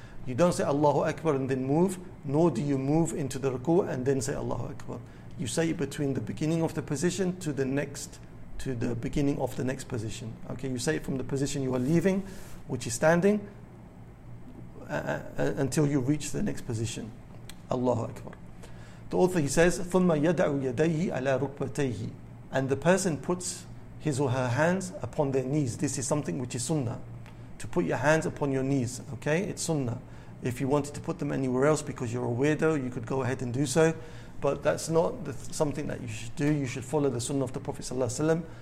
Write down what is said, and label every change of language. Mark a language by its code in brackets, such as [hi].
[en] You don't say Allahu Akbar and then move, nor do you move into the ruku and then say Allahu Akbar. You say it between the beginning of the position to the next position. To the beginning of the next position. Okay, you say it from the position you are leaving, which is standing, until you reach the next position. [ar] Allahu Akbar. [en] The author, he says, [ar] ثُمَّ يَدَعُ يَدَيْهِ عَلَى رُكْبَتَيْهِ. [en] And the person puts his or her hands upon their knees. This is something which is sunnah. To put your hands upon your knees, okay? It's sunnah. If you wanted to put them anywhere else because you're a weirdo, you could go ahead and do so. But that's not something that you should do. You should follow the sunnah of the Prophet ﷺ.